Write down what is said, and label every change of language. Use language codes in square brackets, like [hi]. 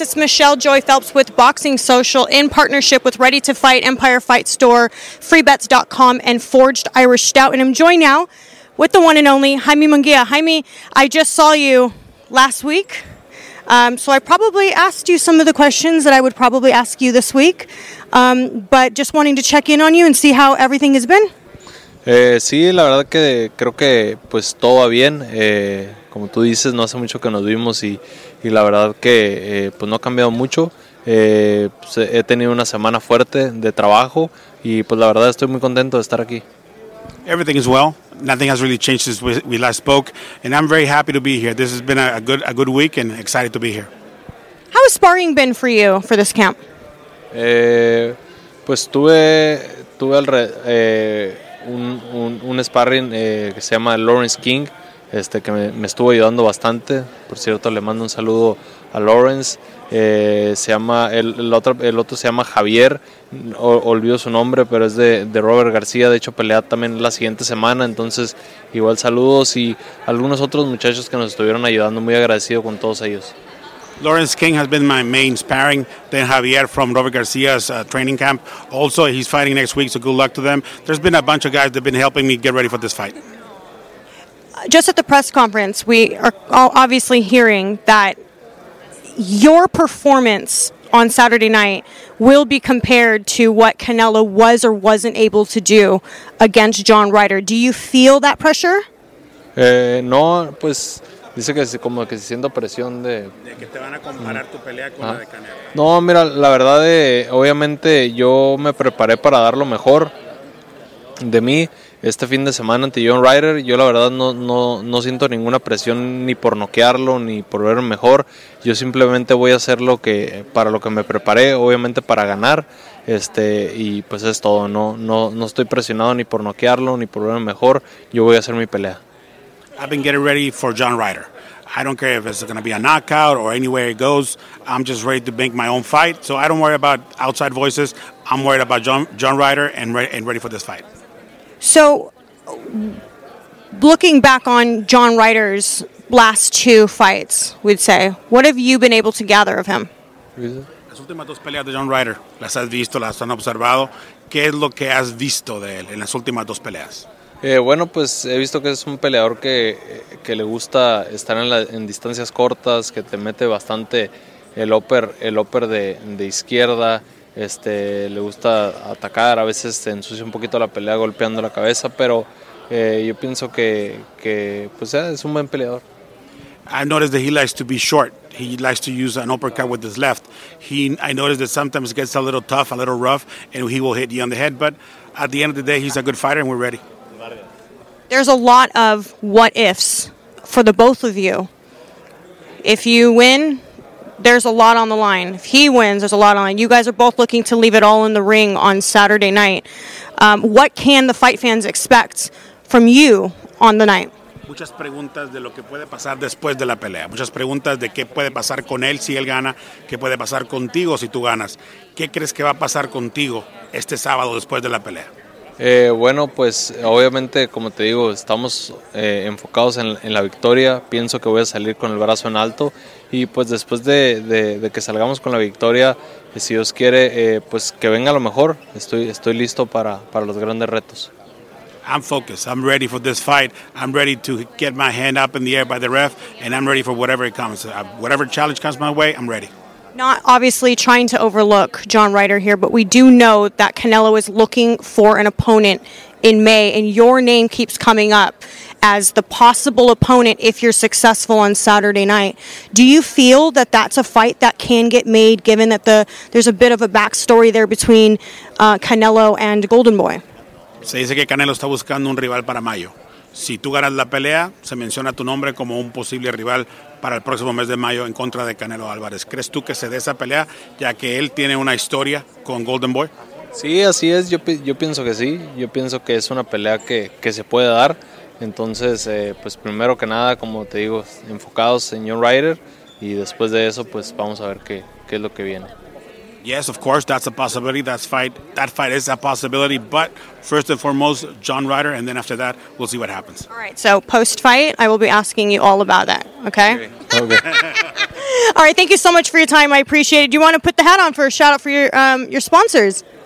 [en] It's Michelle Joy Phelps with Boxing Social in partnership with Ready to Fight, Empire Fight Store, FreeBets.com, and Forged Irish Stout. And I'm joined now with the one and only Jaime Munguia. Jaime, I just saw you last week, so I probably asked you some of the questions that I would probably ask you this week, but just wanting to check in on you and see how everything has been. [es] Sí, la verdad que creo que pues todo va bien. Como tú dices, no hace mucho que nos vimos y la verdad que pues no ha cambiado mucho. Pues he tenido una semana fuerte de trabajo y pues la verdad estoy muy contento de estar aquí. [en] Everything is well. Nothing has really changed since we last spoke, and I'm very happy to be here. This has been a good week and excited to be here. How has sparring been for you for this camp? [es] Pues tuve un sparring que se llama Lawrence King, que me estuvo ayudando bastante. Por cierto, le mando un saludo a Lawrence. El otro se llama Javier, olvido su nombre, pero es de Robert García. De hecho, pelea también la siguiente semana, entonces igual saludos y algunos otros muchachos que nos estuvieron ayudando, muy agradecido con todos ellos. [en] Lawrence King has been my main sparring, then Javier from Robert García's training camp. Also, he's fighting next week, so good luck to them. There's been a bunch of guys that have been helping me get ready for this fight. Just at the press conference, we are all obviously hearing that your performance on Saturday night will be compared to what Canelo was or wasn't able to do against John Ryder. Do you feel that pressure? [es] No, pues... Dice que como que se siente presión de... De que te van a comparar tu pelea con la de Canelo. No, mira, la verdad, obviamente yo me preparé para dar lo mejor de mí este fin de semana ante John Ryder. Yo la verdad no siento ninguna presión ni por noquearlo ni por ver mejor. Yo simplemente voy a hacer lo que me preparé, obviamente para ganar. Y pues es todo, no estoy presionado ni por noquearlo ni por ver mejor. Yo voy a hacer mi pelea. [en] I've been getting ready for John Ryder. I don't care if it's going to be a knockout or any way it goes. I'm just ready to make my own fight. So I don't worry about outside voices. I'm worried about John Ryder and ready for this fight. So looking back on John Ryder's last two fights, we'd say, what have you been able to gather of him? [es] Las últimas dos peleas de John Ryder, las has visto, las han observado. ¿Qué es lo que has visto de él en las últimas dos peleas? Bueno, pues he visto que es un peleador que le gusta estar en distancias cortas, que te mete bastante el upper de izquierda, le gusta atacar, a veces se ensucia un poquito la pelea golpeando la cabeza, pero yo pienso que es un buen peleador. [en] I've noticed that he likes to be short. He likes to use an uppercut with his left. I noticed that sometimes it gets a little tough, a little rough, and he will hit you on the head, but at the end of the day, he's a good fighter and we're ready. There's a lot of what ifs for the both of you. If you win, there's a lot on the line. If he wins, there's a lot on the line. You guys are both looking to leave it all in the ring on Saturday night. What can the fight fans expect from you on the night. [es] Muchas preguntas de lo que puede pasar después de la pelea. Muchas preguntas de qué puede pasar con él si él gana. Qué puede pasar contigo si tú ganas. ¿Qué crees que va a pasar contigo este sábado después de la pelea? Bueno, pues obviamente, como te digo, estamos enfocados en la victoria. Pienso que voy a salir con el brazo en alto. Y pues después de que salgamos con la victoria, si Dios quiere, pues que venga lo mejor. Estoy listo para los grandes retos. [en] I'm focused. I'm ready for this fight. I'm ready to get my hand up in the air by the ref, and I'm ready for whatever it comes. Whatever challenge comes my way, I'm ready. Not obviously trying to overlook John Ryder here, but we do know that Canelo is looking for an opponent in May, and your name keeps coming up as the possible opponent if you're successful on Saturday night. Do you feel that that's a fight that can get made, given that there's a bit of a backstory there between Canelo and Golden Boy? [es] Se dice que Canelo está buscando un rival para mayo. Si tú ganas la pelea, se menciona tu nombre como un posible rival para el próximo mes de mayo en contra de Canelo Álvarez. ¿Crees tú que se dé esa pelea, ya que él tiene una historia con Golden Boy? Sí, así es. Yo pienso que sí. Yo pienso que es una pelea que se puede dar. Entonces, pues primero que nada, como te digo, enfocados en John Ryder. Y después de eso, pues vamos a ver qué es lo que viene. [en] Yes, of course, that's a possibility. That fight is a possibility. But first and foremost, John Ryder, and then after that, we'll see what happens. All right, so post-fight, I will be asking you all about that, okay? Okay. All right, thank you so much for your time. I appreciate it. Do you want to put the hat on for a shout-out for your sponsors?